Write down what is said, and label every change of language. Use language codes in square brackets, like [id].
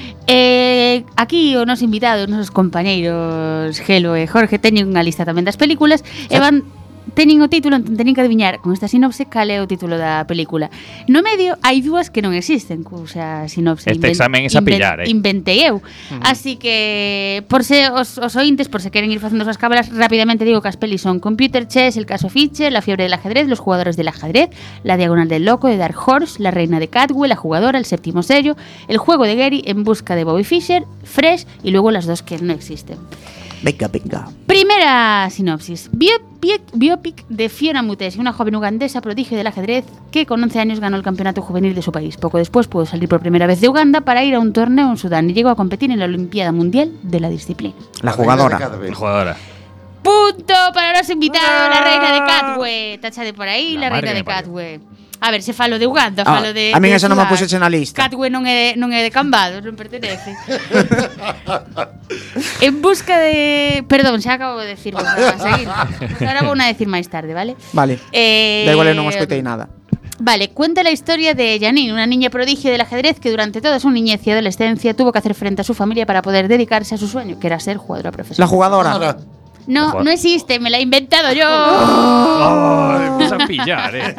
[gl] Aquí os nos invitados, nosos compañeros Helio e Jorge, teñen unha lista tamén das películas. E van... Tenen o título, tenen que adivinar con esta sinopse cal é o título da película. No medio hai dúas que non existen, cousa sinopse. Este examen é a pillar, inventei eu. Uh-huh. Así que por se os ointes, por se queren ir facendo as cábalas, rapidamente digo que as pelis son Computer Chess, El caso Fischer, La fiebre del ajedrez, Los jugadores del ajedrez, La diagonal del loco de Dark Horse, La reina de Catwell, La jugadora, El séptimo sello, El juego de Gary, En busca de Bobby Fischer, Fresh y luego las dos que no existen. [es] Venga, venga. Primera sinopsis. Biopic de Fiona Mutesi, una joven ugandesa prodigio del ajedrez que con 11 años ganó el campeonato juvenil de su país. Poco después pudo salir por primera vez de Uganda para ir a un torneo en Sudán y llegó a competir en la Olimpiada Mundial de la disciplina. La jugadora. La jugadora. Punto para los invitados, la reina de Katwe. Tacha de por ahí, la reina de Katwe. [gl] A ver, se falo de Uganda, falo de... A mí eso no me puseche na lista. Catwe non é de Cambados, non pertenece. [es] En busca de... [gl] Perdón, xa acabo de decir. Ahora vou a decir máis tarde, ¿vale? Vale. Da igual, non escutei nada. [es] Vale, cuenta la historia de Janine, una niña prodigio del ajedrez que durante toda su niñez y adolescencia tuvo que hacer frente a su familia para poder dedicarse a su sueño, que era ser jugadora profesional. La jugadora. No existe, me la he inventado yo. Vamos a pillar,